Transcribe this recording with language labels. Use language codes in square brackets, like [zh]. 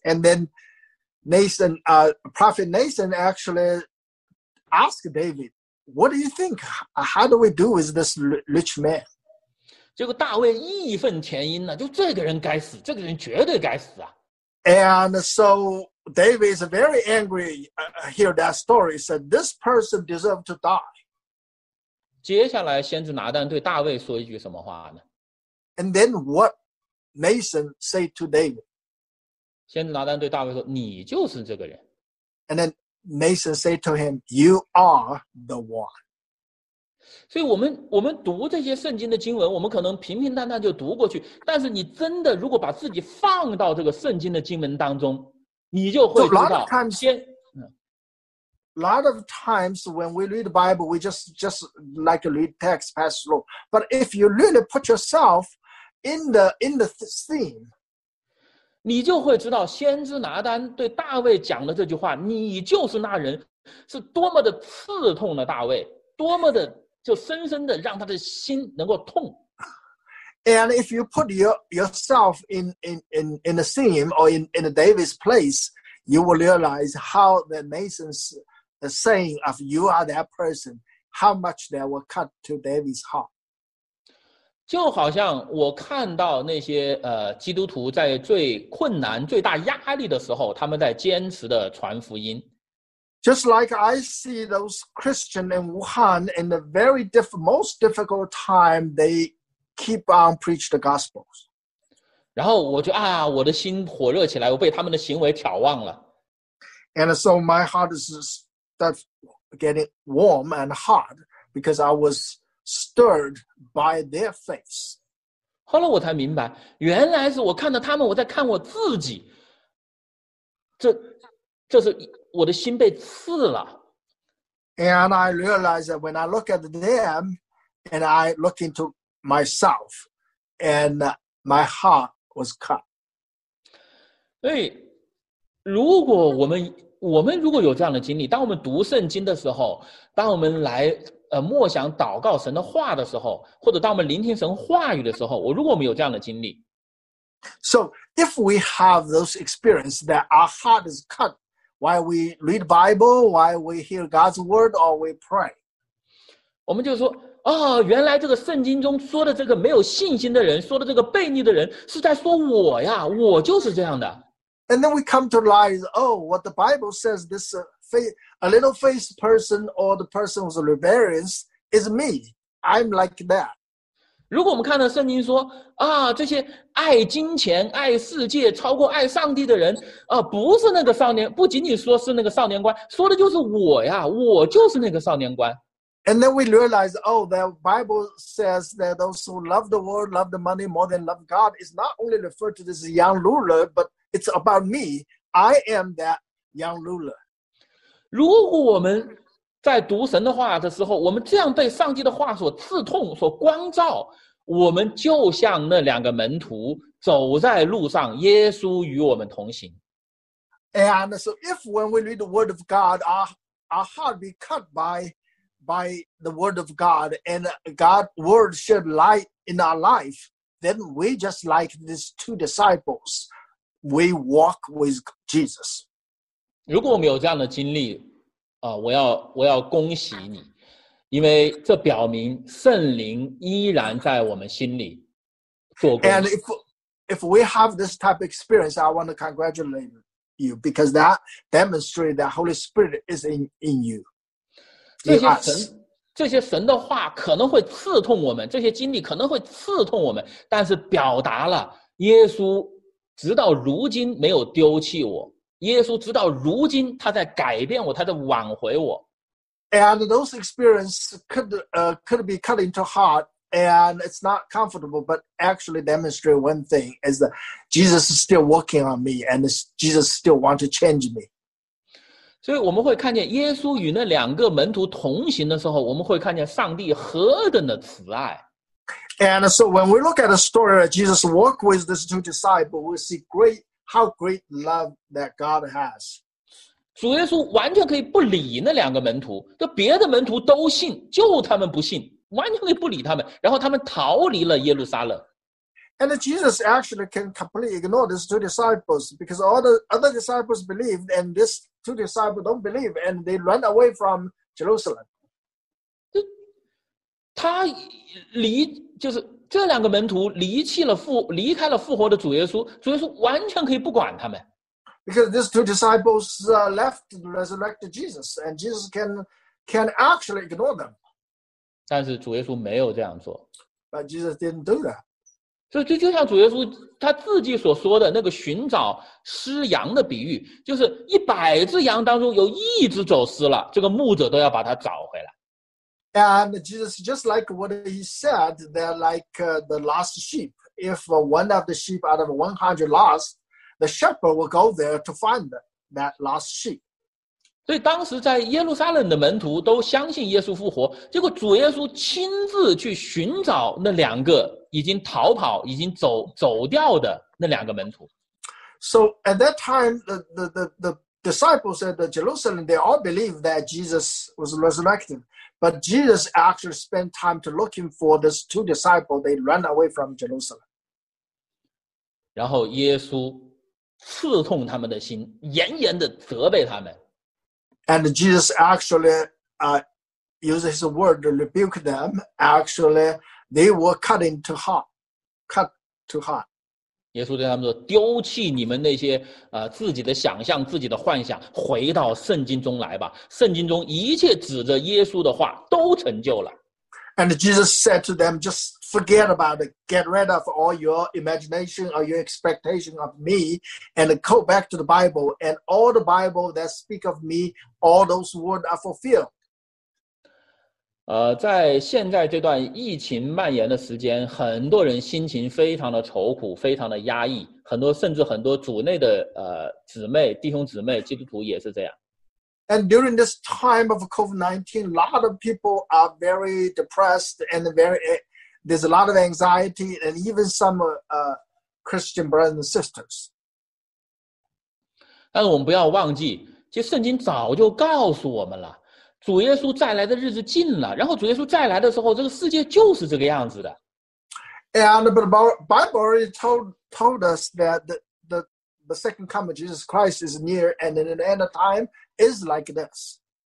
[en] And then Nathan, Prophet Nathan actually asked David, what do you think? How do we do with this rich man? [zh] 结果大卫义愤填膺了，就这个人该死，这个人绝对该死啊。 [en] And so David is very angry hear that story, said this person deserves to die. [zh] 接下来先知拿单对大卫说一句什么话呢？ [en] And then whatNathan said to David, [zh] 先拿单对大卫说，你就是这个人。 [en] And then Nathan said to him, you are the one. [zh] 所以我们读这些圣经的经文，我们可能平平淡淡就读过去，但是你真的如果把自己放到这个圣经的经文当中，你就会知道。 [en] Lot of times when we read the Bible, we just like to read text, pass through. But if you really put yourselfin the scene, [zh] 你就会知道先知拿单对大卫讲的这句话，你就是那人，是多么的刺痛了大卫，多么的就深深的让他的心能够痛。 [en] And if you put yourself in the scene or in the David's place, you will realize how the Nathan's saying of you are that person, how much that will cut to David's heart. [zh] 就好像我看到那些基督徒在最困难最大压力的时候，他们在坚持的传福音。 [en] Just like I see those Christians in Wuhan in the very most difficult time, they keep on preach the gospels. [zh] 然后我就我的心火热起来，我被他们的行为挑旺了。 [en] And so my heart is getting warm and hot because I was stirred by their face. [zh] 后来我才明白，原来是我看到他们，我在看我自己。这是我的心被刺了。 [en] And I realized that when I look at them, and I look into myself, and my heart was cut. [zh] 所以，如果我们如果有这样的经历，当我们读圣经的时候，当我们来默想祷告神的话的时候，或者当我们聆听神话语的时候，如果我们有这样的经历。 [en] So, if we have those experiences that our heart is cut while we read Bible, while we hear God's word, or we pray. [zh] 我们就说，原来这个圣经中说的这个没有信心的人，说的这个悖逆的人，是在说我呀，我就是这样的。 [en] And then we come to realize, what the Bible says, this a little faced person or the person who's rebellious is me. I'm like that. [zh] 如果我们看到圣经说，这些爱金钱、爱世界超过爱上帝的人，不是那个少年，不仅仅说是那个少年官，说的就是我呀，我就是那个少年官。 [en] And then we realize, the Bible says that those who love the world, love the money more than love God, is not only referred to this young ruler, but It's about me. I am that young ruler. [zh] 如果我们在读神的话的时候，我们这样对上帝的话所刺痛、所光照，我们就像那两个门徒走在路上，耶稣与我们同行。 [en] And so if when we read the word of God, our heart be cut by the word of God, and God's word shed light in our life, then we just like these two disciples, we walk with Jesus. [zh] 如果我们有这样的经历，我要恭喜你，因为这表明圣灵依然在我们心里做工。 [en] And if we have this type of experience, I want to congratulate you. You because that demonstrates that Holy Spirit is in you. In [zh] 这些神的话可能会刺痛我们，这些经历可能会刺痛我们，但是表达了耶稣直到如今没有丢弃我。耶稣直到如今他在改变我，他在挽回我。 [en] And those experiences could be cut into heart, and it's not comfortable, but actually demonstrate one thing is that. Jesus is still working on me, and Jesus still wants to change me. [zh] 所以我们会看见耶稣与那两个门徒同行的时候，我们会看见上帝何等的慈爱。 [en] And so when we look at the story that Jesus walked with these two disciples, we see how great love that God has. [zh] 主耶稣完全可以不理那两个门徒，就别的门徒都信，就他们不信，完全可以不理他们，然后他们逃离了耶路撒冷。 [en] And Jesus actually can completely ignore these two disciples because all the other disciples believed and these two disciples don't believe and they run away from Jerusalem. [zh] 他离就是这两个门徒离开了复活的主耶稣，主耶稣完全可以不管他们。 [en] Because these two disciples left the resurrected Jesus and Jesus can actually ignore them. [zh] 但是主耶稣没有这样做。 [en] But Jesus didn't do that. [zh] 所以就像主耶稣他自己所说的那个寻找失羊的比喻，就是一百只羊当中有一只走失了，这个牧者都要把它找回来。 [en] And Jesus, just like what he said, they're like the lost sheep. If one of the sheep out of 100 lost, the shepherd will go there to find that lost sheep. [zh] 所以当时在耶路撒冷的门徒都相信耶稣复活，结果主耶稣亲自去寻找那两个已经逃跑、已经走掉的那两个门徒。 [en] So at that time, the disciples at the Jerusalem, they all believed that Jesus was resurrected. But Jesus actually spent time to looking for these two disciples. They ran away from Jerusalem. [zh] 然后耶稣刺痛他们的心，严严的责备他们。 [en] And Jesus actually used his word to rebuke them. Actually. They were cut to heart. [zh] 耶稣对他们说：“丢弃你们那些自己的想象、自己的幻想，回到圣经中来吧。圣经中一切指着耶稣的话都成就了。” [en] And Jesus said to them, "Just forget about it. Get rid of all your imagination or your expectation of me, and go back to the Bible. And all the Bible that speak of me, all those words are fulfilled." [zh] 在现在这段疫情蔓延的时间，很多人心情非常的愁苦，非常的压抑，很多甚至很多主内的姊妹弟兄姊妹基督徒也是这样。 [en] And during this time of COVID-19, a lot of people are very depressed and there's a lot of anxiety and even some Christian brothers and sisters. [zh] 但我们不要忘记，其实圣经早就告诉我们了，主耶稣再来的日子近了，然后主耶稣再来的时候，这个世界就是这个样子的。 [en] And but the Bible already told us that the second coming of Jesus Christ is near, and in the end of time is like this.